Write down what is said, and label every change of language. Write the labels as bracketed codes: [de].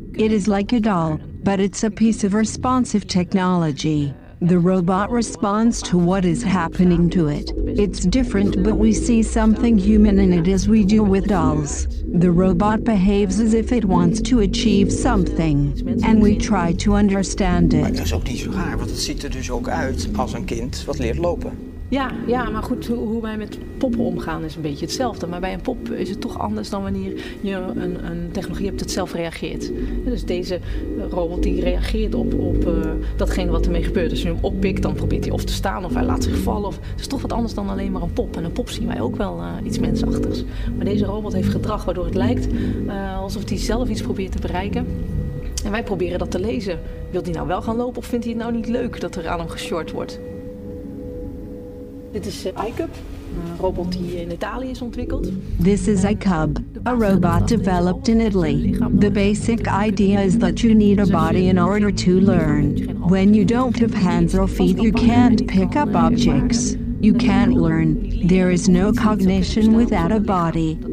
[en] It is like a doll, but it's a piece of responsive technology. The robot responds to what is happening to it. It's different, but we see something human in it as we do with dolls. The robot behaves as if it wants to achieve something, and we try to understand it. [nl] Maar dat is ook niet zo raar, want het ziet er dus ook uit als een kind wat leert lopen. Ja, ja, maar goed, hoe wij met poppen omgaan is een beetje hetzelfde. Maar bij een pop is het toch anders dan wanneer je een technologie hebt dat zelf reageert. Ja, dus deze robot die reageert op datgene wat ermee gebeurt. Als je hem oppikt, dan probeert hij of te staan of hij laat zich vallen. Het is toch wat anders dan alleen maar een pop. En een pop zien wij ook wel iets mensachtigs. Maar deze robot heeft gedrag waardoor het lijkt alsof hij zelf iets probeert te bereiken. En wij proberen dat te lezen. Wil hij nou wel gaan lopen of vindt hij het nou niet leuk dat er aan hem geshort wordt? Dit is iCub, een robot die in Italië is ontwikkeld. [en] This is iCub, a robot developed in Italy. The basic idea is that you need a body in order to learn. When you don't have hands or feet, you can't pick up objects. You can't learn. There is no cognition without a body.